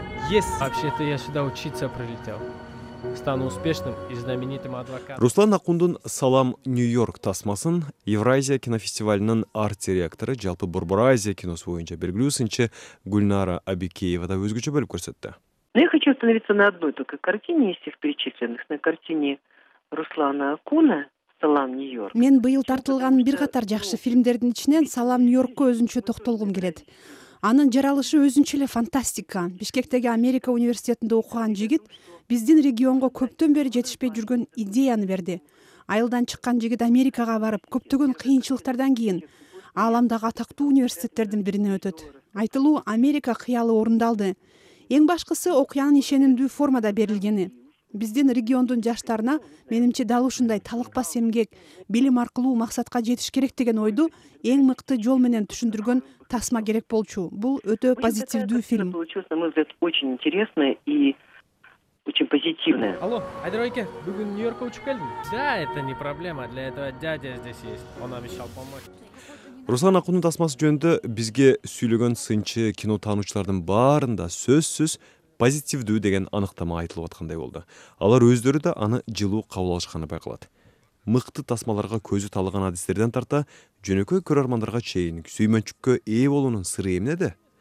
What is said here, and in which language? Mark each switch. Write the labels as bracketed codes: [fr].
[en] Yes, [ru] вообще-то я сюда учиться прилетел. Стану успешным и знаменитым адвокатом. [ky] Руслан Акундун «Салам, Нью-Йорк» тасмасын Евразия кинофестивалинин арт-директору жалпы Бурбуразия киносу боюнча белгилүү сынчы Гүлнара Абикеева да өзгөчө бөлүп көрсөттү. [ru] Но я хочу остановиться на одной только картине из всех перечисленных, на картине Руслана Акуна. [ky] Мен быйыл тартылган бир катар жакшы фильмдердин ичинен «Салам, Нью-Йоркко» өзүнчө токтолгум келет. Анын жаралышы өзүнчө эле фантастика. Бишкектеги Америка университетинде окуган жигит биздин регионго көптөн бери жетишпей жүргөн идеяны берди. Айылдан чыккан жигит Америкага барып, көптөгөн кыйынчылыктардан кийин ааламдагы атактуу университеттердин бирине өтөт. Айтылуу Америка кыялы орундалды. Эң башкысы окуянын ишенимдүү формада берилгени. Биздин региондун жаштарына менимче дал ушундай талыкпас эмгек, билим аркылуу максатка жетиш керек деген ойду эң мыкты жол менен түшүндүргөн тасма керек болчу. Бул өтө позитивдүү фильм. [ru] Очень интересная и очень позитивная. [ky] Алло, Айдарбек, бүгүн Нью-Йоркко учуп келдим. [ru] Да, это не проблема. Для этого дядя здесь есть. Он обещал помочь. [ky] Руслан Акундун тасмасы жөнүндө бизге сүйлөгөн сынчы кино таануучулардын баарында сөзсүз позитивдүү деген аныктама айтылып аткандай болду. Алар өздөрү да аны жылуу кабыл алышканы байкалат. Мыкты тасмаларга көзү талган адистерден тарта, жөнөкөй көрөрмандарга чейин сүймөнчүккө ээ болуунун сыры эмнеде?